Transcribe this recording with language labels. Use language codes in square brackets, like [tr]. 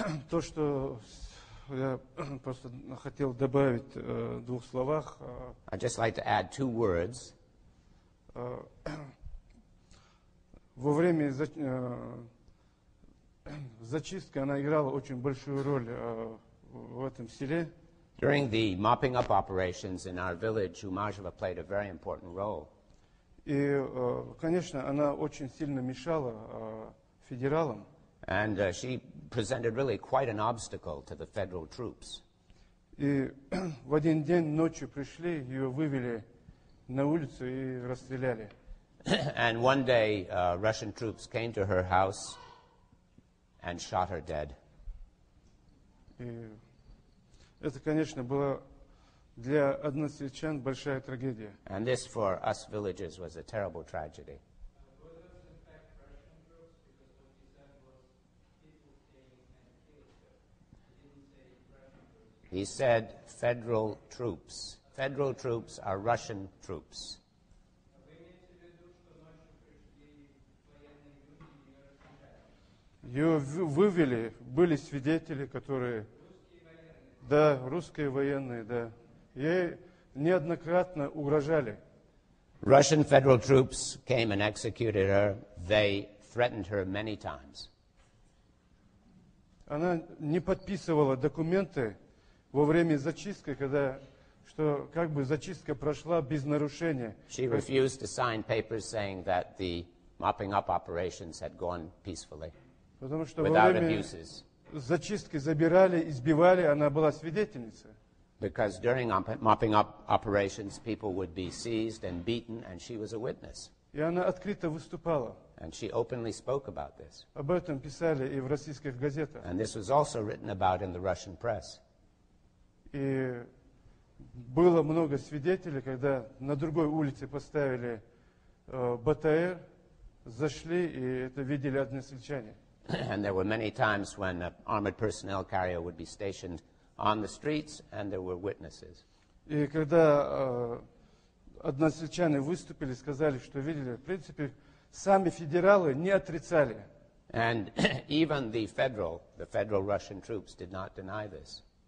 [ru] То, что я просто хотел добавить в двух словах. [en] I'd just like to add two words. [ru] Во время зачистки она играла очень большую роль в этом селе. [en] During the mopping up operations in our village, Umajava played a very important role. [ru] И, конечно, она очень сильно мешала федералам. [en] And she presented really quite an obstacle to the federal troops. [ru] И в один день ночью пришли, ее вывели на улицу и расстреляли. [en] And one day, Russian troops came to her house and shot her dead. [ru] И это, конечно, было для односельчан большая трагедия. [en] And this for us villagers was a terrible tragedy. He said federal troops. Federal troops are Russian troops. [ru] Ее вывели, были свидетели, которые... Да, русские военные, да. Ей неоднократно угрожали. [en] Russian federal troops came and executed her. They threatened her many times. [ru] Она не подписывала документы во время зачистки, когда, что как бы зачистка прошла без нарушения. [en] She refused to sign papers saying that the mopping up operations had gone peacefully. [ru] Потому что [en] without abuses. [ru] Зачистки забирали, избивали, она была свидетельницей. [en] Because during mopping up operations, people would be seized and beaten, and she was a witness. [ru] И она открыто выступала. [en] And she openly spoke about this. [ru] Об этом писали и в российских газетах. [en] And this was also written about in the Russian press. [ru] И было много свидетелей, когда на другой улице поставили БТР, зашли, и это видели односельчане. [en] And there were many times when an armored personnel carrier would be stationed on the streets, and there were witnesses. [ru] И когда односельчане выступили, сказали, что видели, в принципе, сами федералы не отрицали. [en] And even the federal Russian troops did not deny this.